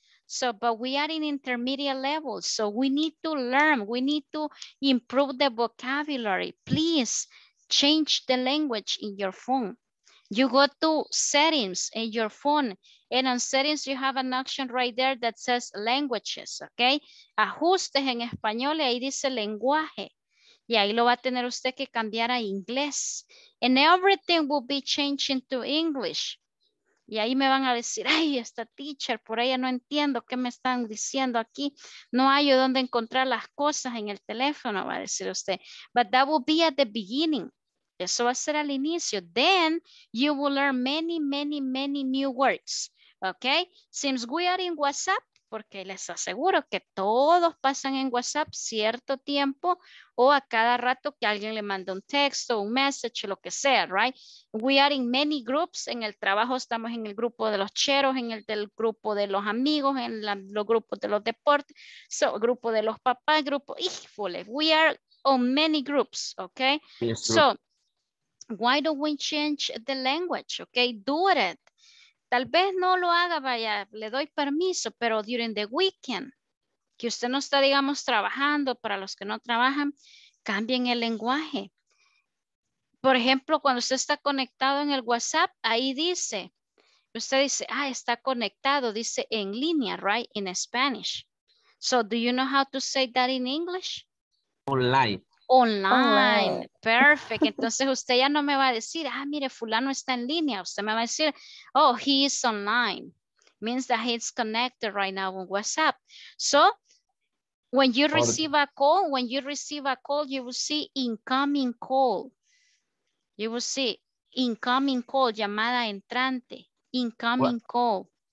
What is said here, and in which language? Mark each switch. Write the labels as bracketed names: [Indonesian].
[English] So, but we are in intermediate level. So we need to learn, we need to improve the vocabulary. Please change the language in your phone. You go to settings in your phone, and on settings, you have an option right there that says languages, okay? [Spanish] Ajustes en español, y ahí dice lenguaje. Y ahí lo va a tener usted que cambiar a inglés. [English] And everything will be changed into English. [Spanish] Y ahí me van a decir, ay, esta teacher, por ella no entiendo qué me están diciendo aquí. No hay dónde encontrar las cosas en el teléfono, va a decir usted. [English] But that will be at the beginning. [Spanish] Eso va a ser al inicio. [English] Then you will learn many, many, many new words. Okay? Since we are in WhatsApp, [Spanish] porque les aseguro que todos pasan en WhatsApp cierto tiempo o a cada rato que alguien le manda un texto, un message, lo que sea, right? [English] We are in many groups. [Spanish] En el trabajo estamos en el grupo de los cheros, en el del grupo de los amigos, en los grupos de los deportes, so, grupo de los papás, grupo, híjole, [English] we are on many groups, okay? Yes, so, why don't we change the language, okay? Do it. [Spanish] Tal vez no lo haga, vaya, le doy permiso, pero [English] during the weekend, [Spanish] que usted no está, digamos, trabajando, para los que no trabajan, cambien el lenguaje. Por ejemplo, cuando usted está conectado en el WhatsApp, ahí dice, usted dice, ah, está conectado, dice en línea, [English] right, in Spanish. So do you know how to say that in English? Online. Online. Perfect. [Spanish] Entonces usted ya no me va a decir, ah, mire, fulano está en línea. Usted me va a decir, [English] oh, he is online. Means that he's connected right now on WhatsApp. So when you receive a call, when you receive a call, you will see incoming call. You will see incoming call, [Spanish] llamada entrante, [English] incoming call.